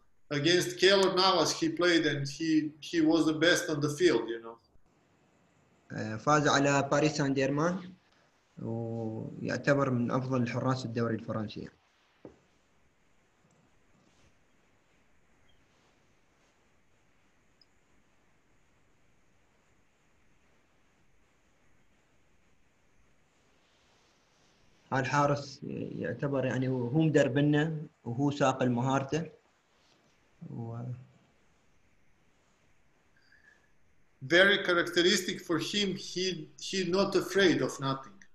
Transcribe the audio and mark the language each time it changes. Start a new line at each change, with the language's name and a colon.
English: Against Keylor Navas he played and he was the best on the field, you know.
Arabic: فاز على باريس سان جيرمان ويعتبر من افضل الحراس الدوري الفرنسي. الحارس يعتبر يعني هو مدربنا وهو ساق المهارته.
English: Very characteristic for him, he's not afraid of nothing.